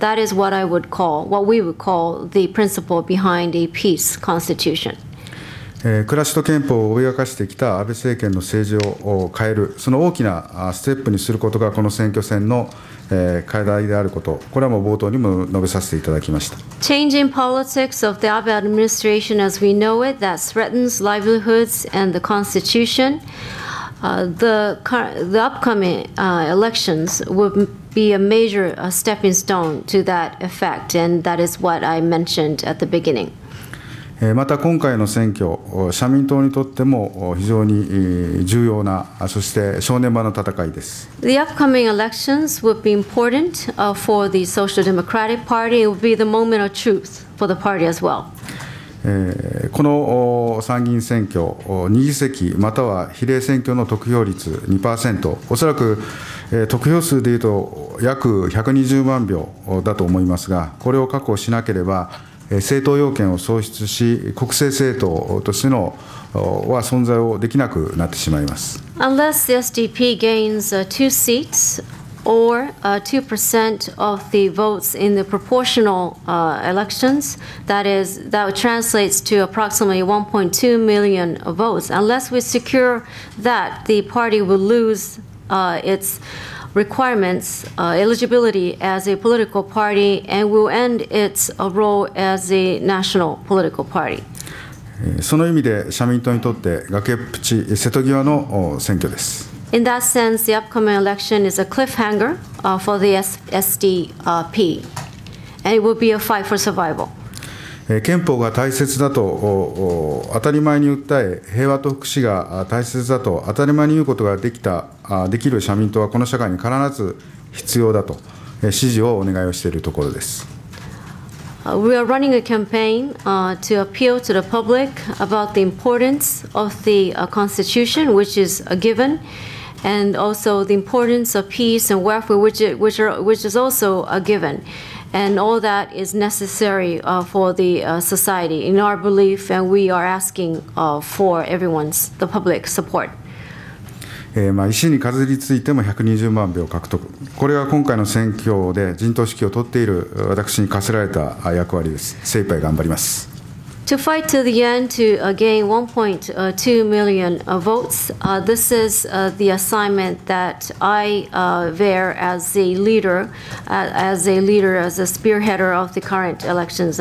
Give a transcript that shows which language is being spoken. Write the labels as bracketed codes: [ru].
[en] That is what I would call, what we would call the principle behind a peace constitution. [ja] 暮らしと憲法を脅かしてきた安倍政権の政治を変える、その大きなステップにすることがこの選挙戦の課題であること、これはもう冒頭にも述べさせていただきました。 [en] Changing politics of the Abe administration as we know it that threatens livelihoods and the constitution, the upcoming elections would be a major stepping stone to that effect, and that is what I mentioned at the beginning. [ja] また今回の選挙、社民党にとっても非常に重要な、そして正念場の戦いです。 [en] The upcoming elections would be important for the Social Democratic Party. It would be the moment of truth for the party as well. [ja] この参議院選挙、2議席または比例選挙の得票率 2%、おそらく得票数でいうと約120万票だと思いますが、これを確保しなければ、政党要件を喪失し、国政政党としての存在をできなくなってしまいます。 [en] Unless the SDP gains two seats or 2% of the votes in the proportional elections. That is, that translates to approximately 1.2 million votes. Unless we secure that, the party will lose its requirements, eligibility as a political party, and will end its role as a national political party. [ja] その意味で社民党にとって崖っぷち瀬戸際の選挙です。 [en] In that sense, the upcoming election is a cliffhanger for the SDP, and it will be a fight for survival. [ja] 憲法が大切だと当たり前に訴え、平和と福祉が大切だと当たり前に言うことができた、できる社民党はこの社会に必ず必要だと支持をお願いをしているところです。 [en] We are running a campaign to appeal to the public about the importance of the Constitution, which is a given, and also the importance of peace and welfare, which is also a given, and all that is necessary for the society in our belief, and we are asking for everyone's, the public support. [ja] 維新に飾りついても120万票獲得、これが今回の選挙で陣頭指揮を取っている私に課せられた役割です。精一杯頑張ります。 [en] To fight to the end to gain 1.2 million votes, this is the assignment that I bear as a leader, as a spearheader of the current elections.